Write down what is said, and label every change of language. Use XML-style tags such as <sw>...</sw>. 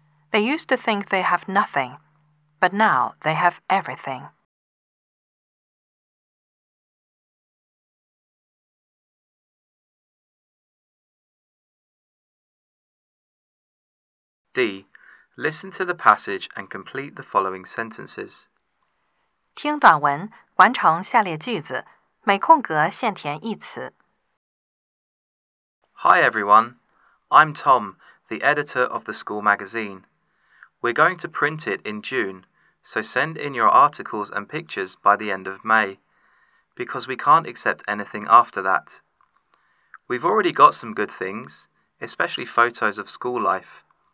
<en>They used to think they have nothing, but now they have everything. D. Listen to the passage and complete the following sentences.</en> <zh>听短文，完成下列句子，每空格限填一词。</zh> <en>Hi everyone, I'm Tom, the editor of the school magazine. We're going to print it in June, so send in your articles and pictures by the end of May, because we can't accept anything after that. We've already got some good things, especially photos of school life.</en>